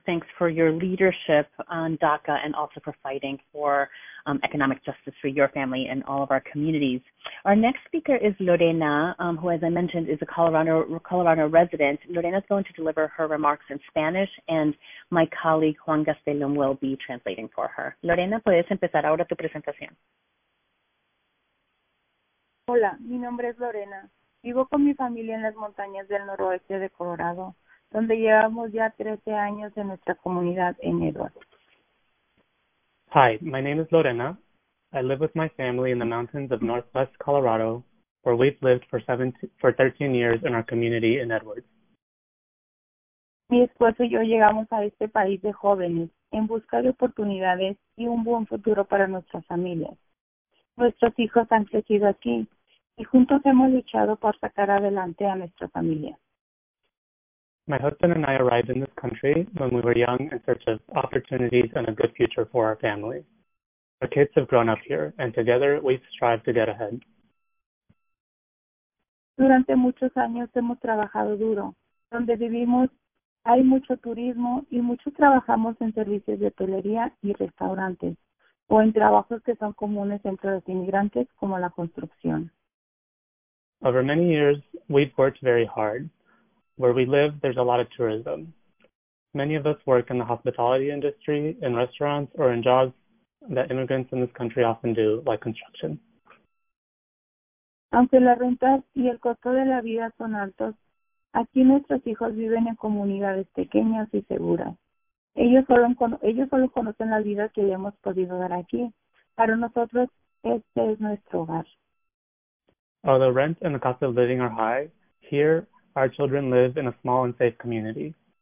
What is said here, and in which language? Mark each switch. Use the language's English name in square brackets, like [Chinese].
[English] Thanks for your leadership on DACA and also for fighting for economic justice for your family and all of our communities. Our next speaker is Lorena, who, as I mentioned, is a Colorado resident. Lorena is going to deliver her remarks in Spanish, and my colleague Juan Gastelum will be translating for her. [Spanish] Lorena, puedes empezar ahora tu presentación. Hola, mi nombre es Lorena. Vivo con mi familia en las montañas del noroeste de Colorado, donde llevamos ya 13 años en nuestra comunidad en Edward. [English] Hi, my name is Lorena. I live with my family in the mountains of northwest Colorado, where we've lived for 13 years in our community in Edwards. [Spanish] Mi esposo y yo llegamos a este país de jóvenes en busca de oportunidades y un buen futuro para nuestras familias. Nuestros hijos han crecido aquí y juntos hemos luchado por sacar adelante a nuestra familia. [English] My husband and I arrived in this country when we were young in search of opportunities and a good future for our family. Our kids have grown up here, and together we strive to get ahead. [Spanish] Durante muchos años hemos trabajado duro. Donde vivimos hay mucho turismo y muchos trabajamos en servicios de hotelería y restaurantes, o en trabajos que son comunes entre los inmigrantes, como la construcción. [English] Over many years, we've worked very hard. Where we live, there's a lot of tourism. Many of us work in the hospitality industry, in restaurants, or in jobs that immigrants in this country often do, like construction. [Spanish] Aunque la renta y el costo de la vida son altos, aquí nuestros hijos viven en comunidades pequeñas y seguras. Ellos solo conocen la vida que hemos podido dar aquí. Para nosotros, este es nuestro hogar. [English] Although rent and the cost of living are high, here, our children live in a small and safe community.